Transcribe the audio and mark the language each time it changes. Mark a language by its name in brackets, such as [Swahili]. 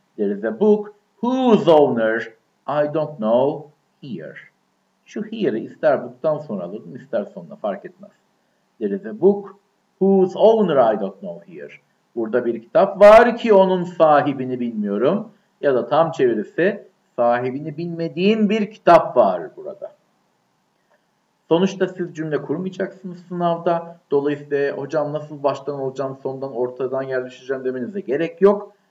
[English] There is a book whose owner I don't know here. [Turkish] Şu here'ı ister book'tan sonra alırdım ister sonuna fark etmez. [English] There is a book whose owner I don't know here. [Turkish] Burada bir kitap var ki onun sahibini bilmiyorum. Ya da tam çevirisi sahibini bilmediğin bir kitap var burada. Sonuçta siz cümle kurmayacaksınız sınavda. Dolayısıyla hocam nasıl baştan olacağım, sondan ortadan yerleşeceğim demenize gerek yok.